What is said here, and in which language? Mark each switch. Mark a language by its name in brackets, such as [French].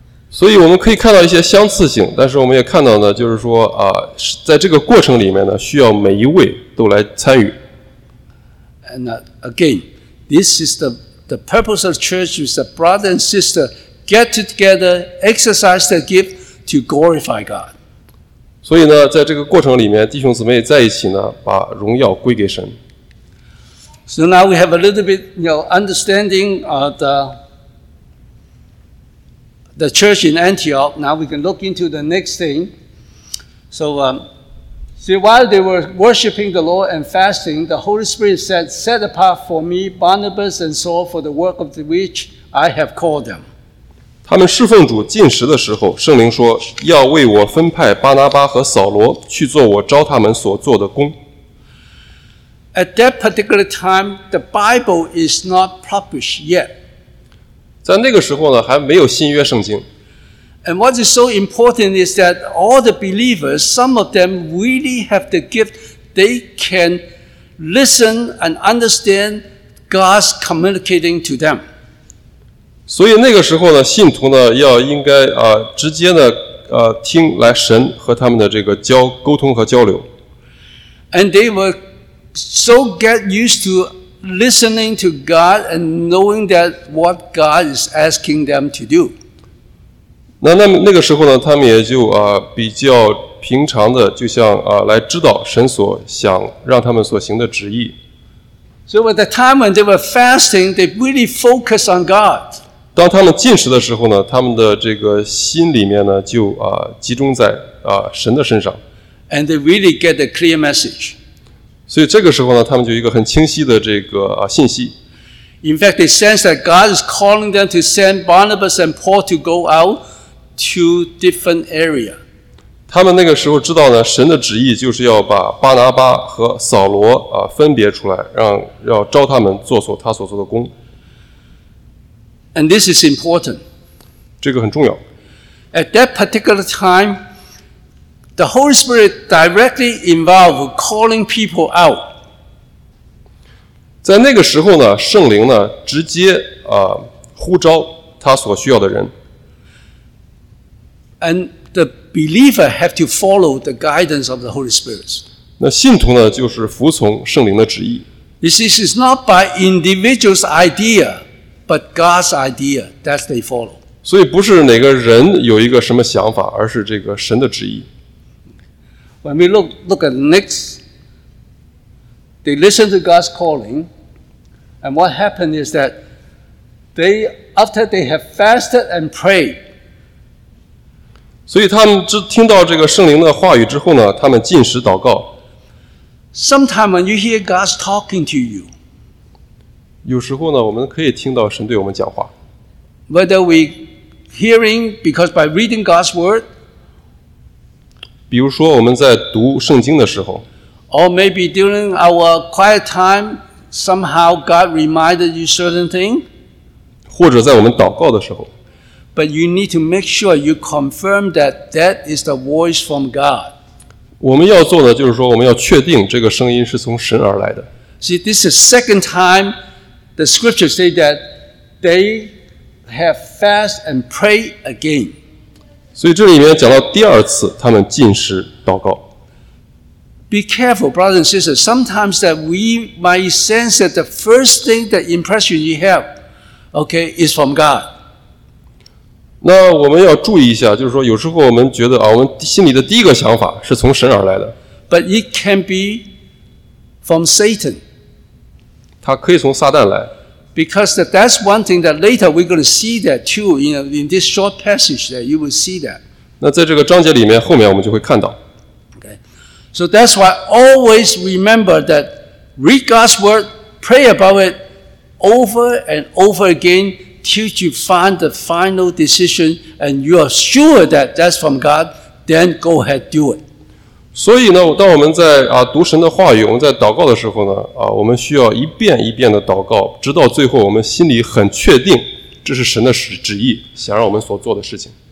[Chinese] 所以我们可以看到一些相似性，但是我们也看到呢，就是说在这个过程里面呢，需要每一位都来参与。 [English] And again, this is the purpose of church is the brother and sister get together, exercise their gift to glorify God. [Chinese] 所以呢，在这个过程里面，弟兄姊妹在一起呢，把荣耀归给神。 [English] So now we have a little bit, you know, understanding the church in Antioch. Now we can look into the next thing. So, see, while they were worshiping the Lord and fasting, the Holy Spirit said, "Set apart for me Barnabas and Saul for the work of which I have called them." [Chinese] 他们侍奉主禁食的时候，圣灵说要为我分派巴拿巴和扫罗去做我召他们所做的工。 [English] At that particular time, the Bible is not published yet. [Chinese] 在那个时候呢，还没有新约圣经。 [English] And what is so important is that all the believers, some of them really have the gift. They can listen and understand God's communicating to them. [Chinese] 所以那个时候呢，信徒呢要应该啊直接呢啊听来神和他们的这个交沟通和交流。 [English] And they were so get used to listening to God and knowing that what God is asking them to do. [Chinese] 那个时候呢，他们也就啊比较平常的，就像啊来知道神所想让他们所行的旨意。 [English] So at the time when they were fasting, they really focused on God. [Chinese] 当他们进食的时候呢，他们的这个心里面呢就啊集中在啊神的身上。 [English] And they really get a clear message. [Chinese] 所以这个时候呢，他们就有一个很清晰的这个啊信息。 [English] In fact, they sense that God is calling them to send Barnabas and Paul to go out to different area. [Chinese] 他们那个时候知道呢，神的旨意就是要把巴拿巴和扫罗啊分别出来，让要召他们做所他所做的工。 [English] And this is important. [Chinese] 这个很重要。 [English] At that particular time. The Holy Spirit directly involved calling people out. [Chinese] 在那个时候呢，圣灵呢直接啊呼召他所需要的人。 [English] And the believer have to follow the guidance of the Holy Spirit. [Chinese] 那信徒呢就是服从圣灵的旨意。 [English] This is not by individual's idea, but God's idea that they follow. [Chinese] 所以不是哪个人有一个什么想法，而是这个神的旨意。 [English] When we look at next, they listen to God's calling, and what happened is that they after they have fasted and prayed. [Chinese] 所以他们听到这个圣灵的话语之后呢，他们进食祷告。 [English] Sometimes when you hear God's talking to you, [Chinese] 有时候呢，我们可以听到神对我们讲话。 [English] Whether we hearing because by reading God's word. [Chinese] 比如说我们在读圣经的时候 [English] or maybe during our quiet time, somehow God reminded you certain thing, [Chinese] 或者在我们祷告的时候 [English] but you need to make sure you confirm that that is the voice from God. [Chinese] 我们要做的就是说我们要确定这个声音是从神而来的 [English] See, this is the second time the scriptures say that they have fast and pray again. [Chinese] 所以这里面讲到第二次他们进食祷告。 [English] Be careful, brothers and sisters. Sometimes that we might sense that the first thing, the impression you have, okay, is from God. [Chinese] 那我们要注意一下，就是说有时候我们觉得啊，我们心里的第一个想法是从神而来的。 [English] But it can be from Satan. [Chinese] 它可以从撒旦来。 [English] Because that's one thing that later we're going to see that too, you know, in this short passage that you will see that. [Chinese] 那在这个章节里面，后面我们就会看到。 [English] Okay. So that's why always remember that read God's word, pray about it over and over again till you find the final decision and you are sure that that's from God, then go ahead, do it. [Chinese] 所以呢，当我们在啊读神的话语，我们在祷告的时候呢，啊，我们需要一遍一遍的祷告，直到最后我们心里很确定这是神的旨意，想让我们所做的事情。